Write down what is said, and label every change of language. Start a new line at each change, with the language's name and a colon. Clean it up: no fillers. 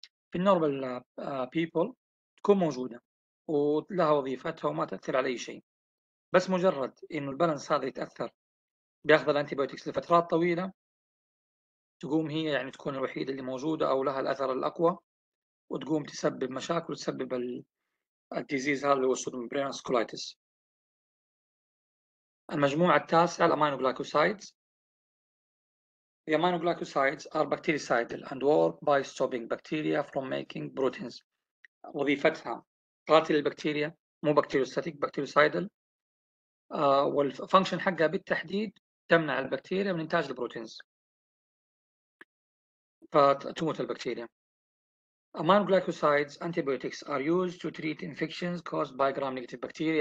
Arabic: في النورمال بيبل تكون موجودة ولها وظيفتها وما تأثر على أي شيء، بس مجرد إنه البالانس هذا يتأثر بياخذ الانتيبيوتكس لفترات طويلة تقوم هي يعني تكون الوحيدة اللي موجودة أو لها الأثر الأقوى وتقوم تسبب مشاكل وتسبب الديزيز هذا اللي هو السودومبرينوس كولايتس. المجموعة التاسعة الأمينوغلايكوسايدز.
English: The aminoglycosides are bactericidal and work by stopping bacteria from making proteins.
Arabic: وظيفتها قاتل البكتيريا مو بكتيروستاتيك، بكتيروسايدال. والفانكشن حقها بالتحديد تمنع البكتيريا من إنتاج البروتينز فتموت البكتيريا.
English: Aminoglycosides antibiotics are used to treat infections caused by gram-negative bacteria.